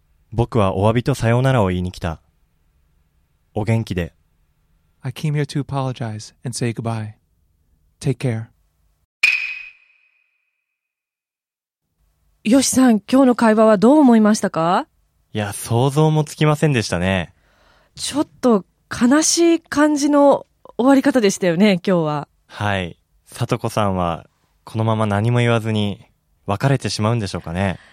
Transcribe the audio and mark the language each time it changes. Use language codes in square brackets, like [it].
[ja] 僕はお詫びとさようならを言いに来た。お元気で。 [en] I came here to apologize and say goodbye. Take care. [ja] ヨシさん、今日の会話はどう思いましたか？いや、想像もつきませんでしたね。ちょっと悲しい感じの終わり方でしたよね、今日は。はい。さとこさんはこのまま何も言わずに別れてしまうんでしょうかね。